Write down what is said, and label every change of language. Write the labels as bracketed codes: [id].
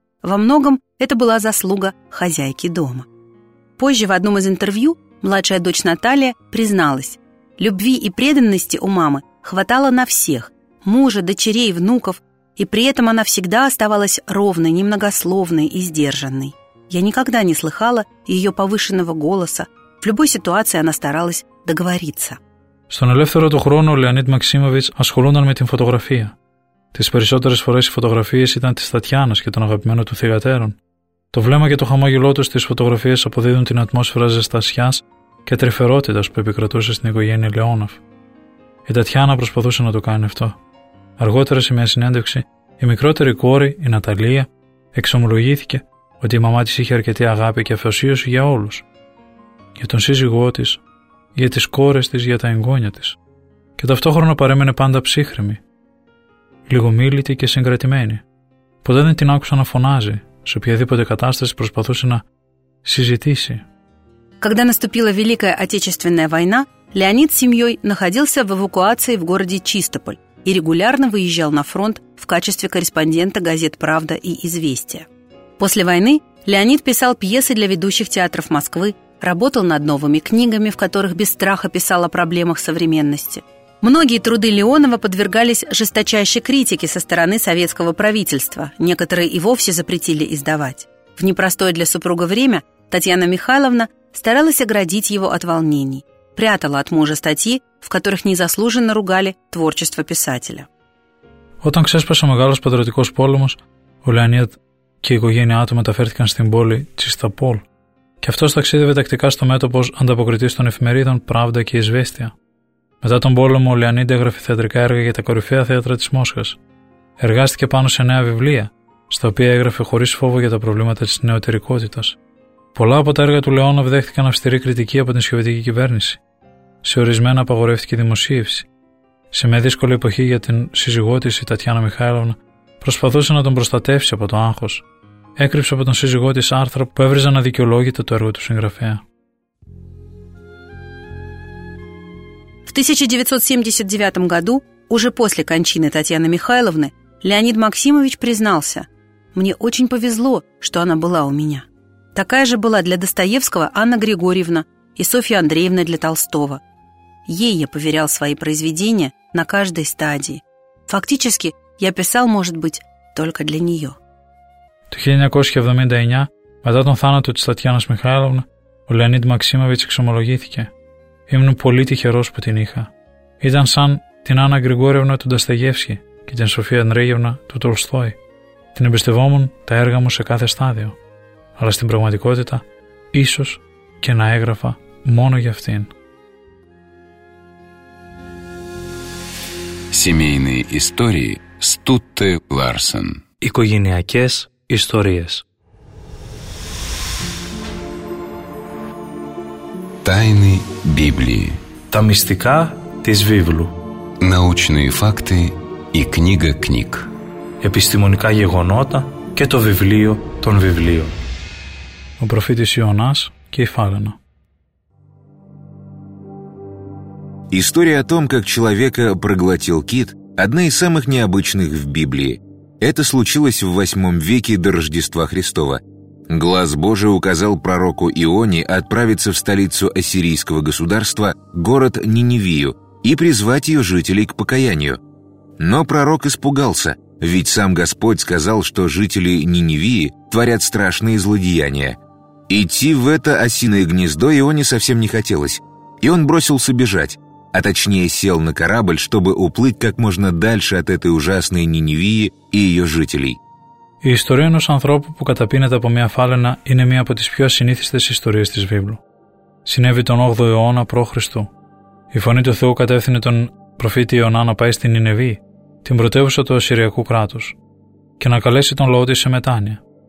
[ru] Во многом это была заслуга хозяйки дома. Позже в одном из интервью младшая дочь Наталья призналась: «Любви и преданности у мамы хватало на всех – мужа, дочерей, внуков. И при этом она всегда оставалась ровной, немногословной и сдержанной. Я никогда не слыхала ее повышенного голоса. В любой ситуации она старалась договориться». [el] Στον ελεύθερο του χρόνου ο Λεωνίδ Μαξίμοβιτς ασχολούνταν με την φωτογραφία. Τις περισσότερες φορές οι φωτογραφίες ήταν της Τατιάνας και των αγαπημένων του θυγατέρων. Το βλέμμα και το χαμόγελό του στις φωτογραφίες αποδίδουν την ατμόσφαιρα ζεστασιάς και τρυφερότητας που επικρατούσε στην οικογένεια Λεόνοφ. Η Τατιάνα προσπαθούσε να το κάνει αυτό. Αργότερα σε μια συνέντευξη, η μικρότερη κόρη, η Ναταλία, εξομολογήθηκε ότι η μαμά της είχε αρκετή αγάπη και αφοσίωση για όλους. Για τον σύζυγό της, για τις κόρες της, για τα εγγόνια της. Και ταυτόχρονα παρέμενε πάντα ψύχρεμη, λιγομίλητη και συγκρατημένη. Ποτέ δεν την άκουσα να φωνάζει, σε οποιαδήποτε κατάσταση προσπαθούσε να συζητήσει. [ru] Когда наступила Великая Отечественная война, Леонид с семьей находился в эвакуации в городе Чистополь и регулярно выезжал на фронт в качестве корреспондента газет «Правда» и «Известия». После войны Леонид писал пьесы для ведущих театров Москвы, работал над новыми книгами, в которых без страха писал о проблемах современности. Многие труды Леонова подвергались жесточайшей критике со стороны советского правительства, некоторые и вовсе запретили издавать. В непростое для супруга время Татьяна Михайловна старалась оградить его от волнений, прятала от мужа статьи, в которых незаслуженно ругали творчество писателя. [el] Όταν ξέσπασε ο μεγάλος πατριωτικός πόλεμος, ο Λεωνίδ και η οικογένειά του μεταφέρθηκαν στην πόλη Τσιστοπόλ και αυτός ταξίδευε τακτικά στο μέτωπο ως ανταποκριτής των εφημερίδων «Πράβδα» και «Ισβέστια». Μετά τον πόλεμο, ο Λεωνίδ έγραφε θεατρικά έργα για τα κορυφαία θέατρα της Μόσχας. Εργάστηκε πάνω σε νέα βιβλία, στα οποία έγραφε χωρίς φόβο για τα προβλήματα της νεωτερικότητας. Πολλά από τα έργα του Λεόνοβ δέχτηκαν αυστηρή κριτική από την σοβιετική κυβέρνηση. Σε ορισμένα απαγορεύτηκε η δημοσίευση. Σε μια δύσκολη εποχή για την σύζυγό της, η Τατιάνα Μιχάηλοβνα, προσπαθούσε να τον προστατεύσει από το άγχος. Έκρυψε από τον σύζυγό της άρθρα που έβριζαν αδικαιολόγητα το έργο του συγγραφέα. [ru] 1979 году, уже после кончины Татьяны Михайловны, Леонид Максимович признался: «Мне очень повезло, что она была у меня». Такая же была для Достоевского Анна Григорьевна и Софья Андреевна для Толстого. Ей я поверял свои произведения на каждой стадии. Фактически, я писал, может быть, только для нее. [el] Το 1979, μετά τον θάνατο της Τατιάνας Μιχάλοβνα, ο Λεωνίδ Μαξίμοβιτς εξομολογήθηκε. Ήμουν πολύ τυχερός που την είχα. Ήταν σαν την Άννα Γκριγόρευνα του Νταστεγεύσκη και την Σοφία Ανδρέγευνα του Τολστόη. Την εμπιστευόμουν τα έργα μου σε κάθε στάδιο. Αλλά στην πραγματικότητα, ίσως και να έγραφα μόνο για αυτήν. [ru] Семейные истории Стутте Ларсен. [el] Οικογενειακές ιστορίες. [ru] Тайны Библии. [el] Τα μυστικά της Βίβλου. [ru] Научные факты и книга книг. [el] Επιστημονικά γεγονότα και το βιβλίο των βιβλίων. Ο προφήτης Ιωνάς και η Φάλαινα. [ru] История о том, как человека проглотил кит, одна из самых необычных в Библии. Это случилось в 8 веке до Рождества Христова. Глаз Божий указал пророку Ионе отправиться в столицу ассирийского государства, город Ниневию, и призвать ее жителей к покаянию. Но пророк испугался, ведь сам Господь сказал, что жители Ниневии творят страшные злодеяния. Идти в это осиное гнездо Ионе совсем не хотелось, и он бросился бежать. А точнее, сел на корабль, чтобы уплыть как можно дальше от этой ужасной Ниневии и ее жителей. [el] Η ιστορία ενός ανθρώπου που καταπίνεται από μια φάλαινα είναι μια από τις πιο ασυνήθιστες ιστορίες της Βίβλου. Συνέβη τον 8ο αιώνα π.Χ. Η φωνή του Θεού κατεύθυνε τον προφήτη Ιωνά να πάει στην Νινεβή, την πρωτεύουσα του Ασσυριακού κράτους, και να καλέσει τον λαό της σε μετάνοια.